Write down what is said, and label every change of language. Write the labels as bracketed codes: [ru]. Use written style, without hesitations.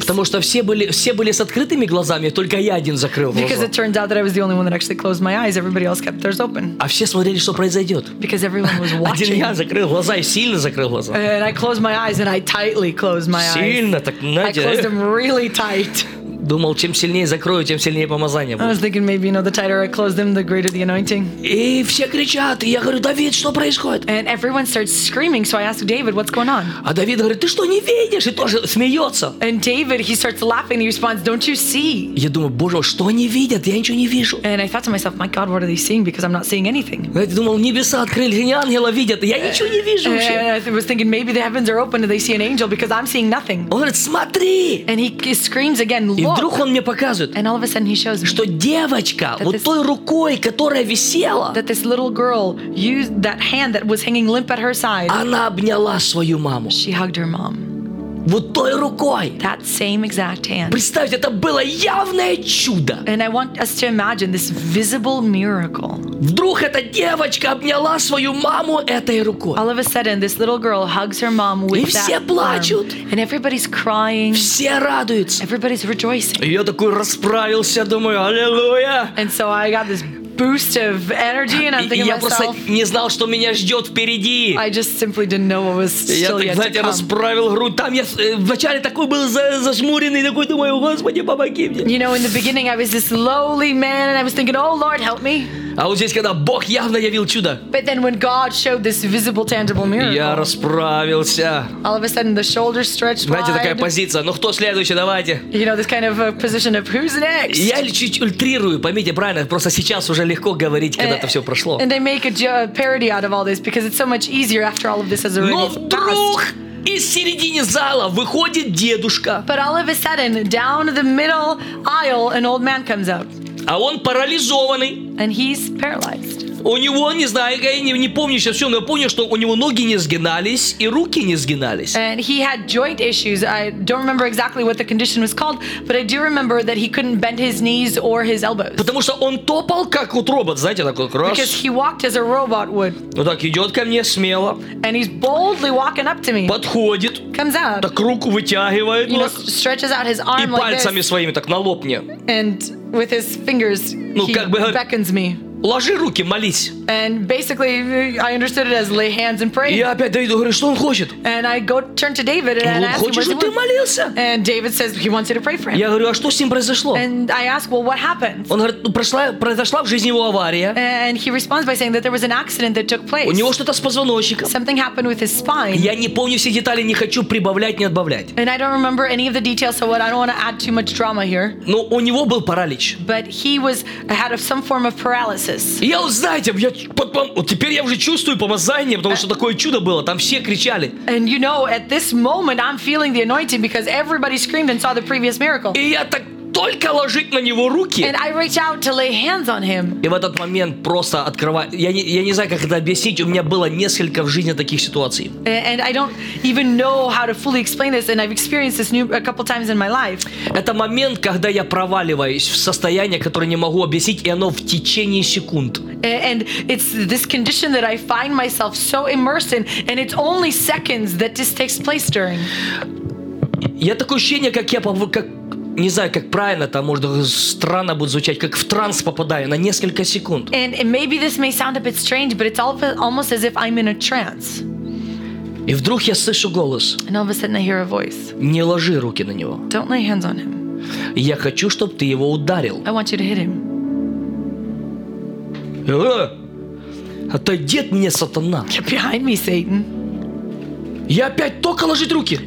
[ru] Потому что все были с открытыми глазами, только я один. [en] Because it turns out that I was the only one that actually closed my eyes. Everybody else kept theirs open. [ru] А все смотрели, что произойдет. [en] Because everyone was watching. [ru] Один я закрыл глаза и сильно закрыл глаза. [en] And I closed my eyes and I tightly closed my eyes. [ru] Сильно, так, знаете. [en] I closed them really tight. [ru] Думал, чем сильнее закрою, тем сильнее помазание будет. [en] I was thinking maybe, you know, the tighter I close them, the greater the anointing. [ru] И все кричат, и я говорю, Давид, что происходит? [en] And everyone starts screaming, so I ask David, what's going on? [ru] А Давид говорит, ты что, не видишь? И тоже смеется. [en] And David, he starts laughing, he responds, don't you see? [ru] Я думаю, Боже, что они видят? Я ничего не вижу. [en] And I thought to myself, my God, what are they seeing? Because I'm not seeing anything. [ru] Я думал, небеса открыли, не ангела видят, я ничего не вижу вообще. [en] And I was thinking, maybe the heavens are open and they see an angel because I'm seeing nothing. [ru] Он говорит, смотри! [en] And he screams again, look. [ru] Вдруг он мне показывает, что девочка вот той рукой, которая висела, она обняла свою маму. [en] She hugged her mom. [ru] Вот той рукой. [en] That same exact hand. [ru] Представьте, это было явное чудо. [en] And I want us to imagine this visible miracle. [ru] Вдруг эта девочка обняла свою маму этой рукой. [en] All of a sudden, this little girl hugs her mom with that arm. [ru] И все плачут. [en] And everybody's crying. [ru] Все радуются. [en] Everybody's rejoicing. [ru] И я такой расправился, думаю, аллилуйя. [en] And so I got this boost of energy, and I'm thinking [ru] я [en] myself. [ru] Просто не знал, что меня ждет впереди. [en] I just simply didn't know what was still [ru] я, так, [en] yet [ru] знаете, [en] to come. [ru] Расправил грудь. Там я вначале такой был зажмуренный, такой думаю, Господи, помоги мне. [en] You know, in the beginning, I was this lowly man, and I was thinking, Oh Lord, help me. [ru] А вот здесь, когда Бог явно явил чудо. [en] But then, when God showed this visible, tangible miracle. [ru] Я расправился. [en] All of a sudden, the shoulders stretched [ru] знаете, Знаете, такая позиция. Ну кто следующий? Давайте. [en] You know, this kind of a position of who's next. [ru] Я чуть ультрирую, поймите правильно, просто сейчас уже легко говорить, когда это все прошло. [en] And I make a parody out of all this because it's so much easier after all of this has already passed. [ru] Но вдруг из середины зала выходит дедушка. [en] But all of a sudden, down the middle aisle, an old man comes out. [ru] А он парализованный. [en] And he's paralyzed. [ru] У него, не знаю, я не помню сейчас все, но я помню, что у него ноги не сгинались и руки не сгинались. [en] And he had joint issues. I don't remember exactly what the condition was called, but I do remember that he couldn't bend his knees or his elbows. [ru] Потому что он топал как вот робот, знаете, такой раз. [en] Because he walked as a robot would. [ru] Вот так идет ко мне смело. [en] And he's boldly walking up to me. [ru] Подходит. [en] Comes up. [ru] Так руку вытягивает. [en] You know, stretches out his arm like this. [ru] И пальцами своими так на лоб мне. [en] And with his fingers, [ru] ну, [en] he [ru] как бы, [en] beckons me. [ru] Ложи руки, молись. [en] And basically, I understood it as lay hands and pray. [ru] И я опять Давиду говорю, что он хочет? [en] And I go turn to David and ask him, what's going on? And David says he wants you to pray for him. [ru] Я говорю, а что с ним произошло? [en] And I ask, well, what happened? [ru] Он говорит, ну, произошла в жизни его авария. [en] And he responds by saying that there was an accident that took place. [ru] У него что-то с позвоночником. [en] Something happened with his spine. [ru] Я не помню все детали, не хочу прибавлять, не отбавлять. [en] And I don't remember any of the details, so what, I don't want to add too much drama here. [ru] Но у него был паралич. [en] But he was had some form of paralysis. [ru] Я, знаете, теперь я уже чувствую помазание, потому что такое чудо было. Там все кричали. [en] And you know, at this moment, I'm feeling the anointing because everybody screamed and saw the previous miracle. [ru] И я так только ложить на него руки. [en] And I reach out to lay hands on him. [ru] И в этот момент просто открываю. Я не знаю, как это объяснить. У меня было несколько в жизни таких ситуаций. [en] And I don't even know how to fully explain this, and I've experienced this a couple times in my life. [ru] Это момент, когда я проваливаюсь в состояние, которое не могу объяснить, и оно в течение секунд. [en] And it's this condition that I find myself so immersed in, and it's only seconds that this takes place during. [ru] Я такое ощущение, как я как не знаю, как правильно, там может странно будет звучать, как в транс попадаю на несколько секунд. [en] And maybe this may sound a bit strange, but it's almost as if I'm in a trance. [ru] И вдруг я слышу голос. [en] And all of a sudden I hear a voice. [ru] Не ложи руки на него. [en] Don't lay hands on him. [ru] Я хочу, чтобы ты его ударил. [en] I want you to hit him. [ru] Отойди от меня, сатана. [en] Get behind me, Satan. [ru] Я опять только ложить руки.